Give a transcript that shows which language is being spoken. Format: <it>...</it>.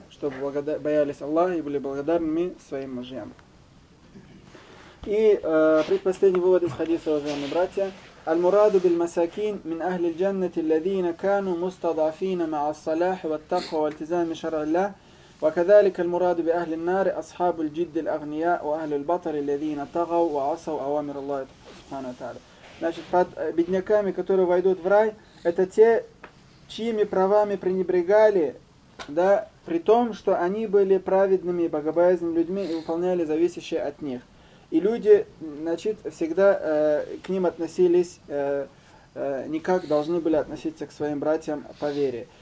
<ru>Чтобы боялись Аллаха и были благодарными своим мужьям. И предпоследний вывод из хадиса, уважаемые братья.</ru> <ar>«Аль-мураду биль-масакин мин ахли л-джаннати л-лазина кану мустадафина маа ас-салахи ват-такху ва-альтизами шара-ллах». وكذلك المراد بأهل النار أصحاب الجد الأغنياء وأهل البطر الذين طغوا وعصوا أوامر الله سبحانه وتعالى.</ar> <ru>Значит, под бедняками, которые войдут в рай, это те, чьими правами пренебрегали, да, при том, что они были праведными и богобоязненными людьми и выполняли зависящее от них. И люди, значит, всегда к ним относились не как должны были относиться к своим братьям по вере.</ru>